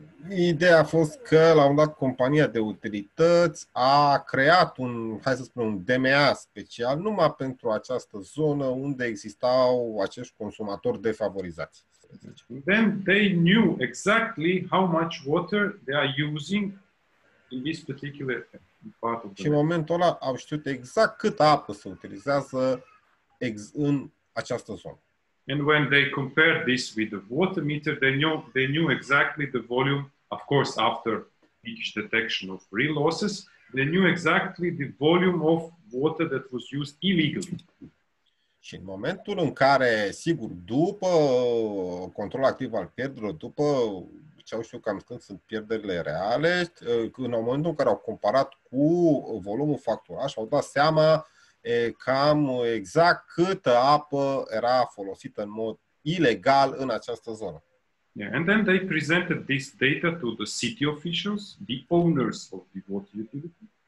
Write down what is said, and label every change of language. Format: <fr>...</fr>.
<ro>Ideea a fost că la un moment dat compania de utilități a creat un, hai să spunem, un DMA special numai pentru această zonă unde existau acești consumatori defavorizați.</ro> <en>Then they knew exactly how much water they are using in this particular part of the.</en> <ro>Și în momentul ăla au știut exact cât apă se utilizează în această zonă.</ro> <en>And when they compared this with the water meter, they knew exactly the volume, of course, after each detection of real losses, they knew exactly the volume of water that was used illegally.</en> <ro>Și în momentul în care, sigur, după control activ al pierderilor, după ce au știut cam când sunt pierderile reale, în momentul în care au comparat cu volumul facturat, au dat seama cam exact câtă apă era folosită în mod ilegal în această zonă.</ro> <en>Yeah, and then they presented this data to the city officials, the owners of the water utility.</en>